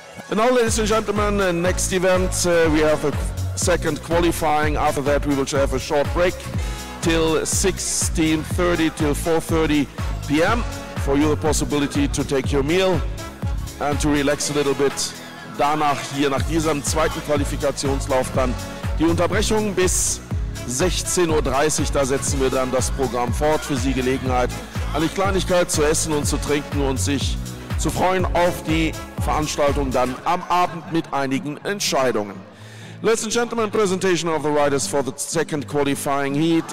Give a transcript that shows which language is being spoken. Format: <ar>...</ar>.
<en>And now, ladies and gentlemen, next event, we have a second qualifying. After that, we will have a short break till 16:30 till 4:30 p.m. for you, the possibility to take your meal and to relax a little bit.</en> <de>Danach, hier nach diesem zweiten Qualifikationslauf, dann die Unterbrechung bis 16:30 Uhr. Da setzen wir dann das Programm fort. Für Sie Gelegenheit, eine Kleinigkeit zu essen und zu trinken und sich zu freuen auf die Veranstaltung dann am Abend mit einigen Entscheidungen.</de> <en>Ladies and gentlemen, presentation of the riders for the second qualifying heat.</en>